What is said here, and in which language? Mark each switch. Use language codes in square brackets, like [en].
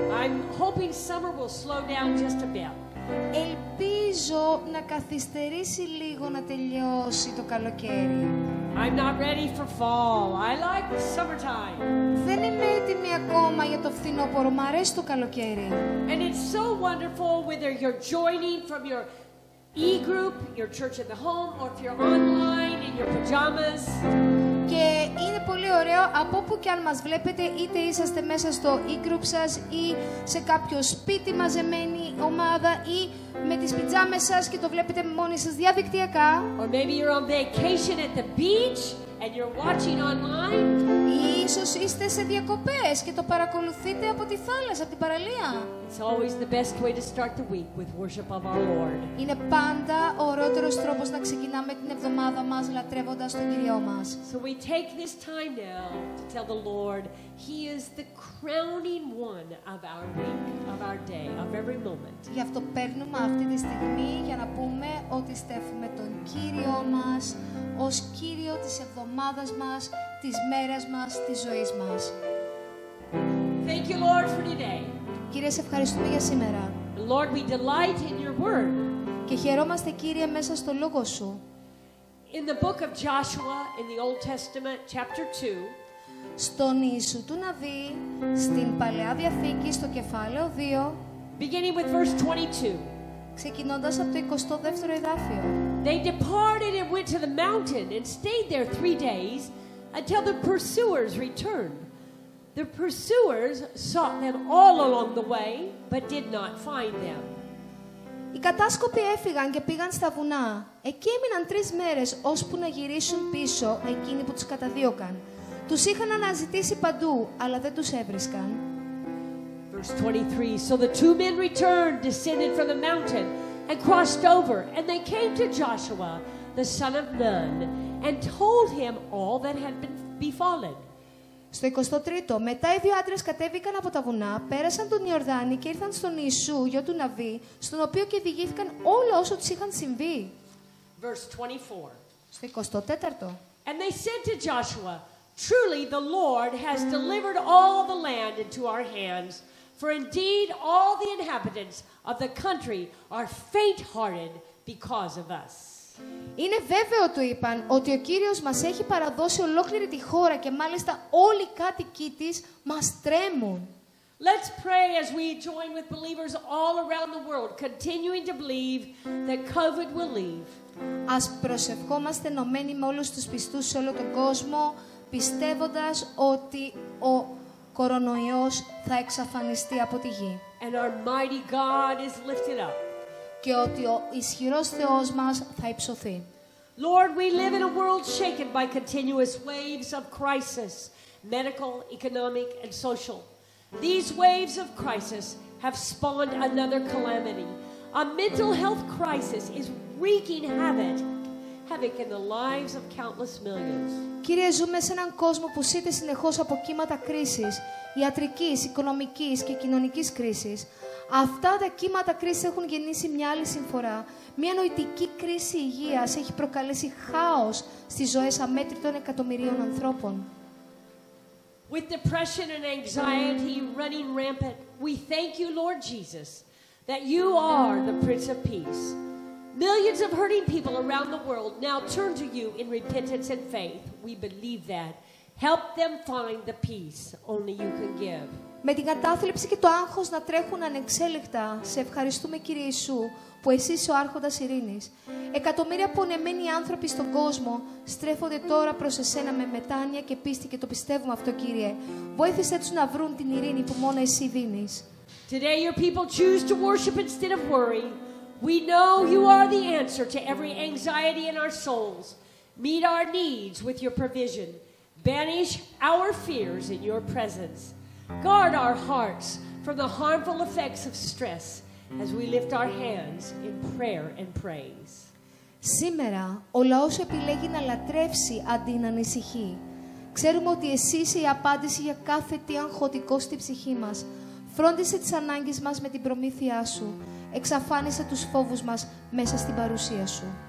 [en] I'm hoping summer will slow down just a bit. [el] Ελπίζω να καθυστερήσει λίγο να τελειώσει το καλοκαίρι. [en] I'm not ready for fall. I like the summertime. [el] Δεν είμαι έτοιμη ακόμα για το φθινόπωρο. Μ' αρέσει το καλοκαίρι. [en] And it's so wonderful whether you're joining from your e-group, your church at the home, or if you're online in your pajamas. [el] Και είναι πολύ ωραίο από όπου και αν μας βλέπετε, είτε είσαστε μέσα στο e-group σας ή σε κάποιο σπίτι μαζεμένη ομάδα ή με τις πιτζάμες σας και το βλέπετε μόνοι σας διαδικτυακά. [en] Or maybe you're on vacation at the beach and you're watching online. [el] Ή ίσως είστε σε διακοπές και το παρακολουθείτε από τη θάλασσα, από την παραλία. [en] It's always the best way to start the week with worship of our Lord. [el] Είναι πάντα ωραιότερος τρόπος να ξεκινάμε την εβδομάδα μας λατρεύοντας τον Κύριό μας. [en] So we take this time now to tell the Lord He is the crowning one of our week, of our day, of every moment. [el] Γι' αυτό παίρνουμε αυτή τη στιγμή για να πούμε ότι στέφουμε τον Κύριό μας ως Κύριο της εβδομάδας μας, της μέρας μας, της ζωής μας. [en] Thank you, Lord, for today. [el] Κύριε, σε ευχαριστούμε για σήμερα. [en] Lord, we delight in your word. [el] Και χαιρόμαστε, Κύριε, μέσα στο λόγο σου. [en] In the book of Joshua, in the Old Testament, chapter 2, [el] στον Ιησού του Ναβί, στην Παλαιά Διαθήκη, στο κεφάλαιο 2, [en] beginning with verse 22, [el] ξεκινώντας από το 22ο εδάφιο. [en] They departed and went to the mountain and stayed there 3 days until the pursuers returned. The pursuers sought them all along the way, but did not find them. [el] Οι κατάσκοποι έφυγαν και πήγαν στα βουνά. Εκεί έμειναν 3 μέρες, ώσπου να γυρίσουν πίσω εκείνοι που τους καταδίωκαν. Τους είχαν αναζητήσει παντού, αλλά δεν τους έβρισκαν. [en] Verse 23, so the two men returned, descended from the mountain, and crossed over, and they came to Joshua, the son of Nun, and told him all that had been befallen. [el] Στο 23ο, μετά οι δύο άντρες κατέβηκαν από τα βουνά, πέρασαν τον Ιορδάνη και ήρθαν στον Ιησού, γιο του Ναβί, στον οποίο και διηγήθηκαν όλα όσο τους είχαν συμβεί. [en] Verse 24. [el] Στο 24ο. [en] And they said to Joshua, truly the Lord has delivered all the land into our hands, for indeed all the inhabitants of the country are faint-hearted because of us. [el] Είναι βέβαιο, του είπαν, ότι ο Κύριος μας έχει παραδώσει ολόκληρη τη χώρα και μάλιστα όλοι οι κάτοικοι της μας τρέμουν. [en] Let's pray as we join with believers all around the world, continuing to believe that COVID will leave. [el] Ας προσευχόμαστε ενωμένοι με όλους τους πιστούς σε όλο τον κόσμο, πιστεύοντας ότι ο κορονοϊός θα εξαφανιστεί από τη γη. [en] And our mighty God is lifted up. [el] Και ότι ο ισχυρός Θεός μας θα υψωθεί. [en] Lord, we live in a world shaken by continuous waves of crisis, medical, economic, and social. These waves of crisis have spawned another calamity. A mental health crisis is wreaking havoc in the lives of countless millions. [el] Κύριε, ζούμε σε έναν κόσμο που σύται συνεχώς από κύματα κρίσης, ιατρικής, οικονομικής και κοινωνικής κρίσης. Αυτά τα κύματα κρίσης έχουν γεννήσει μια άλλη συμφορά. Μια νοητική κρίση υγείας έχει προκαλέσει χάος στις ζωές αμέτρητων εκατομμυρίων ανθρώπων. [en] With depression and anxiety running rampant, we thank you, Lord Jesus, that you are the Prince of Peace. Millions of hurting people around the world now turn to you in repentance and faith. We believe that. Help them find the peace only you can give. [el] Με την κατάθλιψη και το άγχος να τρέχουν ανεξέλεγκτα, σε ευχαριστούμε, Κύριε Ιησού, που εσύ είσαι ο Άρχοντας Ειρήνης. Εκατομμύρια πονεμένοι άνθρωποι στον κόσμο στρέφονται τώρα προς εσένα με μετάνοια και πίστη και το πιστεύουμε αυτό, Κύριε. Βοήθησέ τους να βρουν την ειρήνη που μόνο εσύ δίνεις. [en] Today your people choose to worship instead of worry. We know you are the answer to every anxiety in our souls. Meet our needs with your provision. Banish our fears in your presence. Guard our hearts from the harmful effects of stress as we lift our hands in prayer and praise. [el] Σήμερα, ο λαός επιλέγει να λατρεύσει αντί να ανησυχεί. Ξέρουμε ότι εσύ είσαι η απάντηση για κάθε τι αγχωτικό στη ψυχή μας. Φρόντισε τις ανάγκες μας με την προμήθειά σου. Εξαφάνισε τους φόβους μας μέσα στην παρουσία σου.